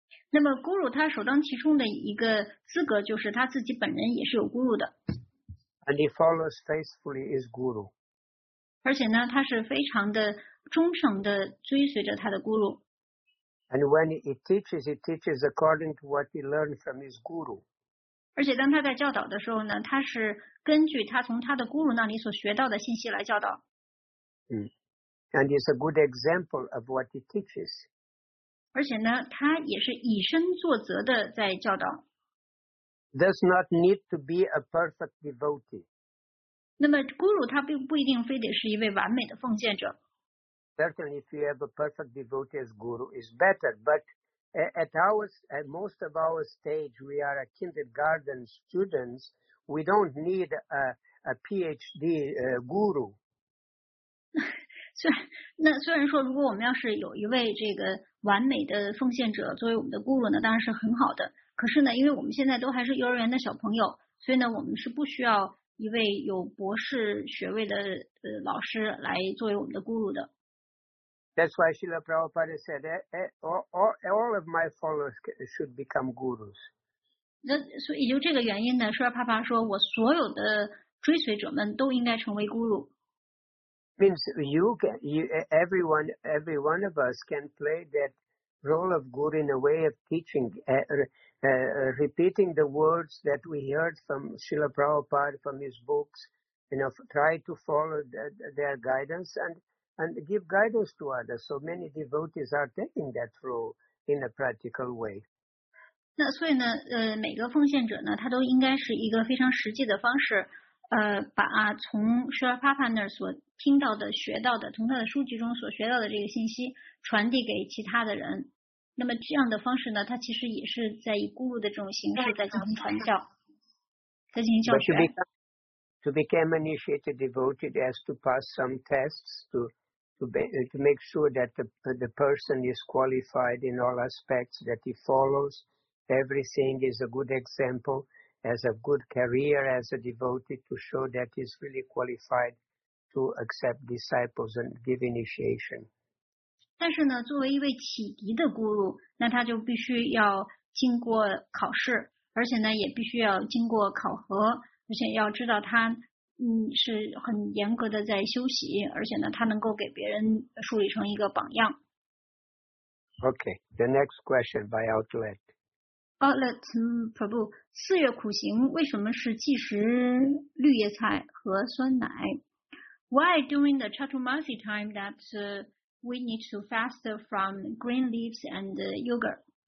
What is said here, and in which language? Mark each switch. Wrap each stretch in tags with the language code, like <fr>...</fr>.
<zh>那么咕噜他首当其冲的一个资格就是他自己本人也是有咕噜的。</zh> <en>And he follows faithfully his guru.</en> <zh>而且呢他是非常的忠诚的追随着他的咕噜。</zh> <en>And when he teaches, he teaches according to what he learned from his guru.</en> <zh>而且当他在教导的时候呢他是根据他从他的咕噜那里所学到的信息来教导。</zh> <en>And he's a good example of what he teaches.</en> <zh>而且呢他也是以身作则的在教导。</zh> <en>Does not need to be a perfect devotee.</en> <zh>那么咕噜他并不一定非得是一位完美的奉献者。</zh> <en>Certainly if you have a perfect devotee as guru is better, but at most of our stage we are a kindergarten students, we don't need a PhD guru.</en> <zh>虽然说如果我们要是有一位这个完美的奉献者作为我们的顾问呢当然是很好的可是呢因为我们现在都还是幼儿园的小朋友所以呢我们是不需要一位有博士学位的老师来作为我们的顾问的</zh> <en>That's why Srila Prabhupada said all of my followers should become gurus</en> <zh>那所以就这个原因呢Srila Prabhupada说我所有的追随者们都应该成为guru</zh> <en>Means every one of us can play that role of guru in a way of teaching, repeating the words that we heard from Srila Prabhupada from his books, you know, try to follow their guidance and give guidance to others. So many devotees are taking that role in a practical way.</en> <zh>那所以呢，每个奉献者呢，他都应该是一个非常实际的方式。把从 Srila Prabhupada 那儿所听到的、学到的，从他的书籍中所学到的这个信息传递给其他的人。那么这样的方式呢，他其实也是在以咕噜的这种形式在进行传教，在进行教学。</zh> <en>To become initiated devotee has to pass some tests to make sure that the person is qualified in all aspects, that he follows everything, is a good example. As a good career as a devotee to show that he's really qualified to accept disciples and give initiation.</en> <zh>但是呢作为一位启迪的咕噜那他就必须要经过考试而且呢也必须要经过考核而且要知道他是很严格的在修习而且呢他能够给别人树立成一个榜样。</zh> <en>Okay, the next question by Outlet. Outlet Prabhu,</en> <zh>四月苦行为什么是忌食绿叶菜和酸奶</zh> <en>?Why during the Chaturmasi time that we need to fast from green leaves and yogurt?</en>